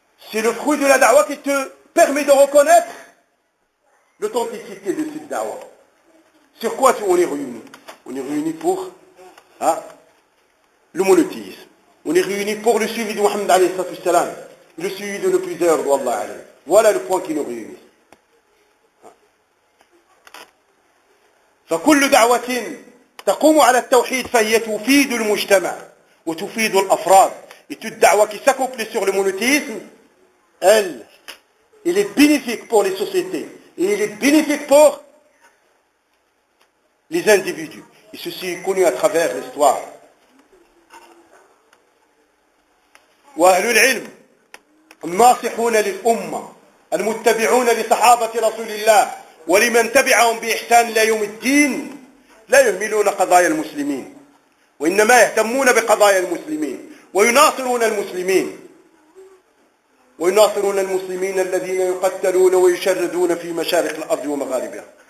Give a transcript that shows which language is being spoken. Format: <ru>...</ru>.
<fr>C'est le fruit de la da'wa qui te permet de reconnaître l'authenticité de cette da'wa. Sur quoi on est réunis? On est réunis pour hein, le monothéisme. On est réunis pour le suivi de Mohammed alayhi salatu wassalam, le suivi de nos plusieurs, wallah alayhi. Voilà le point qui nous réunit.</fr> <ar>فكل دعوة تقوم على التوحيد فهي تفيد المجتمع وتفيد الأفراد.</ar> <fr>Et toute da'wa qui s'accomplit sur le monothéisme, elle est bénéfique pour les sociétés. Et elle est bénéfique pour les individus. Et ceci est connu à travers l'histoire.</fr> <ar>وأهل العلم الناصحون للأمة المتبعون لصحابة رسول الله ولمن تبعهم بإحسان إلى يوم الدين لا يهملون قضايا المسلمين وإنما يهتمون بقضايا المسلمين ويناصرون المسلمين ويناصرون المسلمين الذين يقتلون ويشردون في مشارق الأرض ومغاربها.</ar>